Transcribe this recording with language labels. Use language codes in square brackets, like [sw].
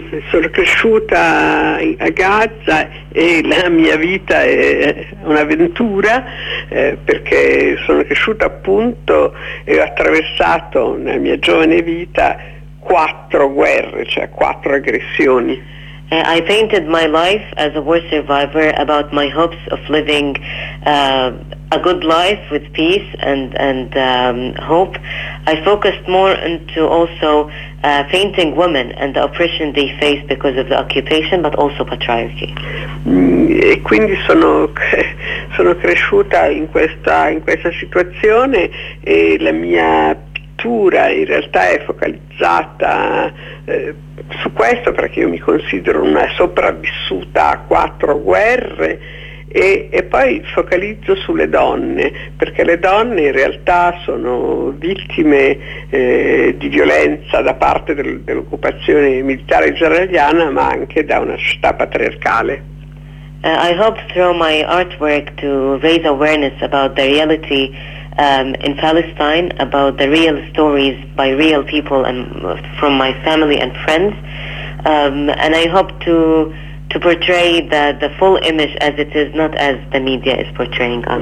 [it] Sono cresciuta a Gaza e la mia vita è un'avventura, perché sono cresciuta appunto e ho attraversato nella mia giovane vita quattro guerre, cioè quattro aggressioni. [en] I painted my life as a war survivor about my hopes of living a good life with peace and hope. I focused more into also painting women and the oppression they face because of the occupation, but also patriarchy. [it] E quindi sono cresciuta in questa situazione, e la mia pittura in realtà è focalizzata su questo, perché io mi considero una sopravvissuta a quattro guerre, e poi focalizzo sulle donne, perché le donne in realtà sono vittime di violenza da parte dell'occupazione militare israeliana, ma anche da una società patriarcale. [en] I hope through my artwork to raise awareness about the reality in Palestine, about the real stories by real people and from my family and friends, and I hope to portray the full image as it is, not as the media is portraying us.